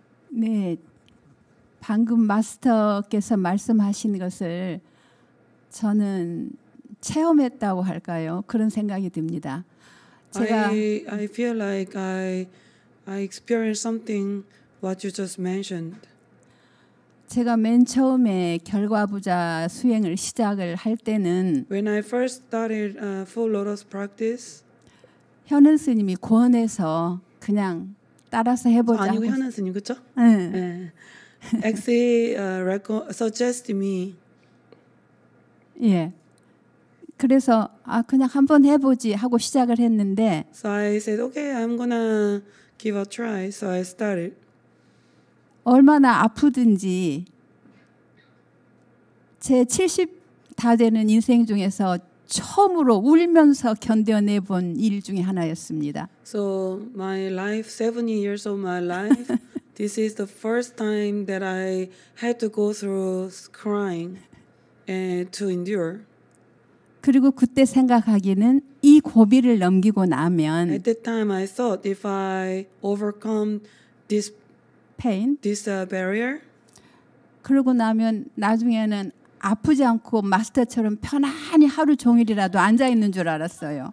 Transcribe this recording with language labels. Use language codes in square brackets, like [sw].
[ko] 네, 방금 마스터께서 말씀하신 것을 저는 체험했다고 할까요? 그런 생각이 듭니다. 제가 [en] I feel like I experienced something what you just mentioned. [ko] 제가 맨 처음에 결과부자 수행을 시작을 할 때는 [en] When I first started full lotus practice, [ko] 현은 스님이 권해서 그냥 따라서 해보자. 아니고 현은 스님 그렇죠? 네. [en] Actually, suggest me. [ko] 예. 그래서 아 그냥 한번 해보지 하고 시작을 했는데. [en] So I said, okay, I'm gonna give a try. So I started. [ko] 얼마나 아프든지 제 70 다 되는 인생 중에서 처음으로 울면서 견뎌내본 일 중에 하나였습니다. [en] So my life, 70 years of my life, This is the first time that I had to go through crying and to endure. [ko] 그리고 그때 생각하기는 이 고비를 넘기고 나면 [en] At that time I thought if I overcome this pain, this barrier [ko] 그러고 나면 나중에는 아프지 않고 마스터처럼 편안히 하루 종일이라도 앉아 있는 줄 알았어요.